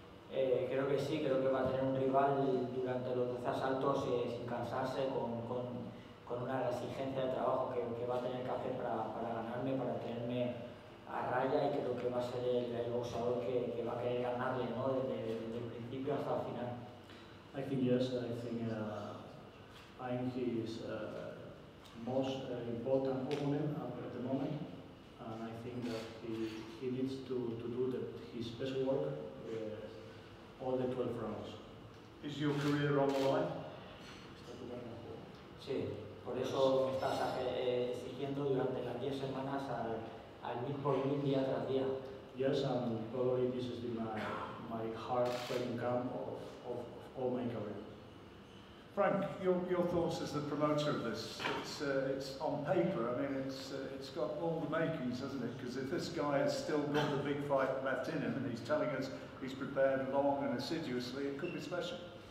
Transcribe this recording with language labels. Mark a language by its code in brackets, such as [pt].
[es] Creo que sí, creo que va a tener un rival durante los 12 asaltos sin cansarse, con una exigencia de trabajo que va a tener que hacer para ganarme, para tenerme a raya, y creo que va a ser el boxeador que va a querer ganarle, ¿no? Desde el principio hasta el final. [en] I think yes, I think I'm his most important opponent at the moment, and I think that he needs to do his best work all the 12 rounds. Is your career on the line? [es] Sí, por eso me estás exigiendo durante las 10 semanas al 1000 por 1000 día tras día. [en] Yes, and probably this has been my hard training camp of all my career. Frank, your thoughts as the promoter of this? It's on paper. I mean, it's got all the makings, hasn't it? Because if this guy has still got the big fight left in him, and he's telling us he's prepared long and assiduously, it could be special.